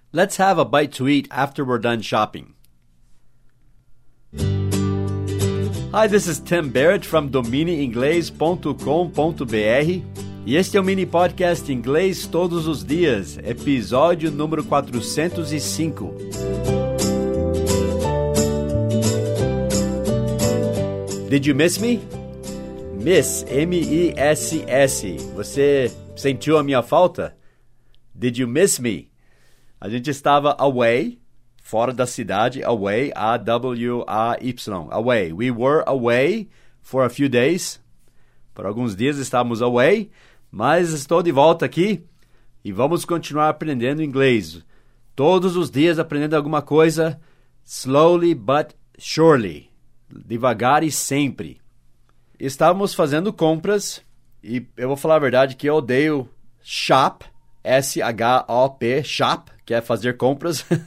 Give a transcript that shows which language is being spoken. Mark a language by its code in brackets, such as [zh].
[en] Let's have a bite to eat after we're done shopping. Hi, this is Tim Barrett from [pt] DominiInglês.com.br e este é o mini podcast Inglês Todos os Dias, episódio número 405. [en] Did you miss me? Miss, M-E-S-S. [pt] Você sentiu a minha falta? [en] Did you miss me? [pt] A gente estava away, fora da cidade, away, A-W-A-Y, away. [en] We were away for a few days. [pt] Por alguns dias estávamos away, mas estou de volta aqui e vamos continuar aprendendo inglês. Todos os dias aprendendo alguma coisa, [en] slowly but surely, [pt] devagar e sempre. Estávamos fazendo compras e eu vou falar a verdade que eu odeio shop, S-H-O-P, shop, que é fazer compras.